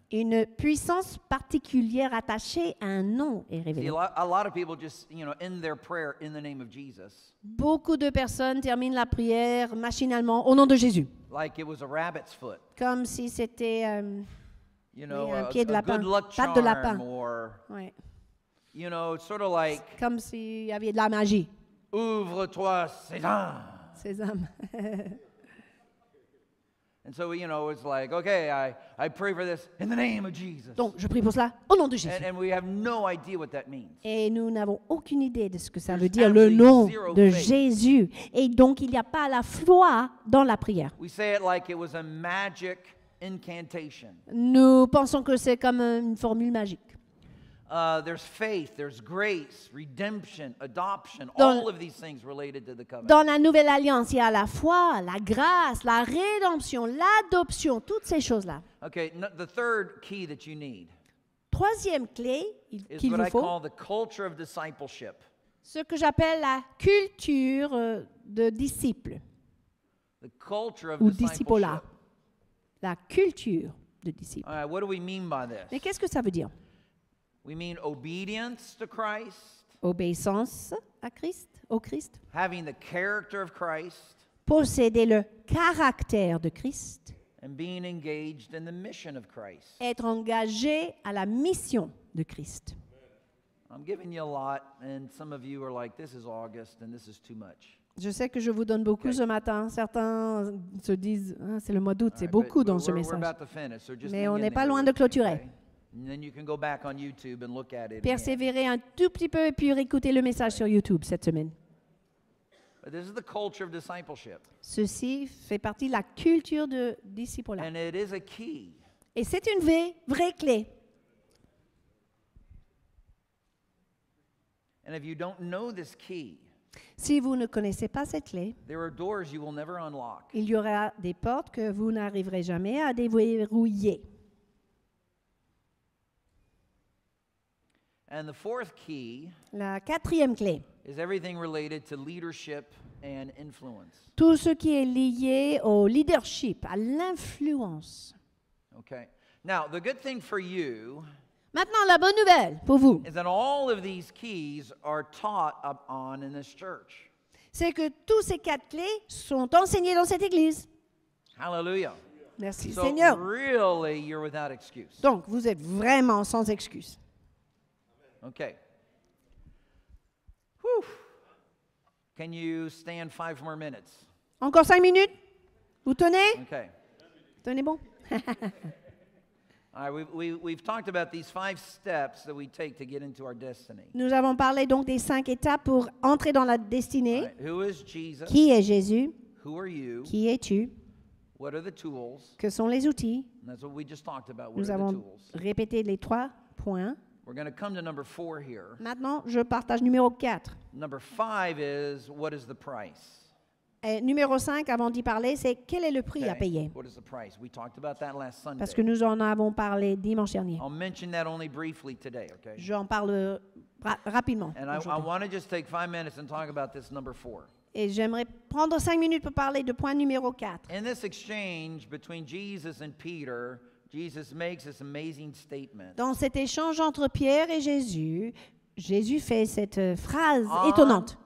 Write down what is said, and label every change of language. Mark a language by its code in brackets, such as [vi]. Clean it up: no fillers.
[fr] Une puissance particulière attachée à un nom est révélée. [en] A lot of people just, you know, end their prayer in the name of Jesus. [fr] Beaucoup de personnes terminent la prière machinalement au nom de Jésus. [en] Like it was a rabbit's foot. [fr] Comme si c'était un pied de lapin, patte de lapin. [en] Or, [fr] oui. [en] You know, sort of like, [fr] c'est comme s'il y avait de la magie. Ouvre-toi, Sésame. Sésame. [en] And so, you know, it's like, okay, I pray for this in the name of Jesus. [fr] Donc, je prie pour cela au nom de Jésus. [en] And we have no idea what that means. [fr] Et nous n'avons aucune idée de ce que ça [en] There's [fr] veut dire, le nom de Jésus. Et donc, il n'y a pas la foi dans la prière. [en] We say it like it was a magic incantation. [fr] Nous pensons que c'est comme une formule magique. [en] There's faith, there's grace, redemption, adoption, all of these things related to the covenant. [fr] Dans la nouvelle alliance, il y a la foi, la grâce, la rédemption, l'adoption, toutes ces choses-là. [en] Okay, the third key that you need. [fr] Troisième clé qu'il vous faut. [en] Is what I call the culture of discipleship. [fr] Ce que j'appelle la culture de disciple. [en] The culture of [fr] ou [en] discipleship. [fr] Ou discipola. La culture de disciple. [en] All right, what do we mean by this? [fr] Mais qu'est-ce que ça veut dire? [en] We mean obedience to Christ. [fr] Obéissance à Christ, au Christ. [en] Having the character of Christ. [fr] Posséder le caractère de Christ. [en] And being engaged in the mission of Christ. [fr] Être engagé à la mission de Christ. [en] I'm giving you a lot, and some of you are like, this is August, and this is too much. [fr] Je sais que je vous donne beaucoup ce matin. Certains se disent, ah, c'est le mois d'août, c'est beaucoup dans ce message. [en] Finish, so [fr] mais on n'est pas loin de clôturer. [en] Okay. [fr] Persévérez un tout petit peu et puis réécoutez le message sur YouTube cette semaine. [en] But this is the culture of discipleship. [fr] Ceci fait partie de la culture de discipleship. [en] And it is a key. [fr] Et c'est une vraie clé. [en] And if you don't know this key, [fr] si vous ne connaissez pas cette clé, [en] there are doors you will never unlock. [fr] Il y aura des portes que vous n'arriverez jamais à déverrouiller. [en] And the fourth key, [fr] la quatrième clé, [en] is everything related to leadership and influence. [fr] Tout ce qui est lié au leadership, à l'influence. [en] Okay. Now, the good thing for you, [fr] maintenant, la bonne nouvelle pour vous, [en] is that all of these keys are taught up on in this church. [fr] C'est que tous ces quatre clés sont enseignées dans cette église. [en] Hallelujah. [fr] Merci, [en] so [fr] Seigneur. [en] Really, you're without excuse. [fr] Donc, vous êtes vraiment sans excuse. [en] Okay. Whew. Can you stand 5 more minutes? [fr] Encore 5 minutes? Vous tenez? [en] Okay. [fr] Tenez bon. [en] All right, we've talked about these 5 steps that we take to get into our destiny. [fr] Nous avons parlé donc des 5 étapes pour entrer dans la destinée. [en] Right, who is Jesus? [fr] Qui est Jésus? [en] Who are you? [fr] Qui es-tu? [en] What are the tools? [fr] Que sont les outils? [en] And that's what we just talked about. [fr] Nous [en] what [fr] avons [en] are the tools? [fr] Répété les 3 points. [en] We're going to come to number 4 here. [fr] Maintenant, je partage numéro 4. [en] Number 5 is what is the price? [fr] Et numéro 5, avant d'y parler, c'est quel est le prix [en] okay. [fr] à payer? [en] What is the price? We talked about that last Sunday. [fr] Parce que nous en avons parlé dimanche dernier. [en] I'll mention that only briefly today, okay? [fr] J'en parle rapidement. [en] And I want to just take 5 minutes and talk about this number 4. [fr] Et j'aimerais prendre 5 minutes pour parler de point numéro 4. [en] In this exchange between Jesus and Peter, Jesus makes this amazing statement. [fr] Dans cet échange entre Pierre et Jésus, Jésus fait cette phrase étonnante.